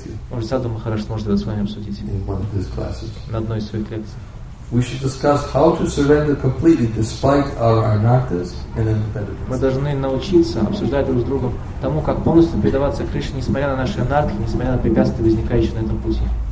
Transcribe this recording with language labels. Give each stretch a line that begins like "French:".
Russian: Может, Саду Махарадж может это с вами обсудить на одной из своих лекций.
English: We should discuss how to surrender completely despite our anarthas and impediments.
Russian: Мы должны научиться обсуждать друг с другом тому, как полностью предаваться Кришне, несмотря на наши анартхи, несмотря на препятствия, возникающие на этом пути.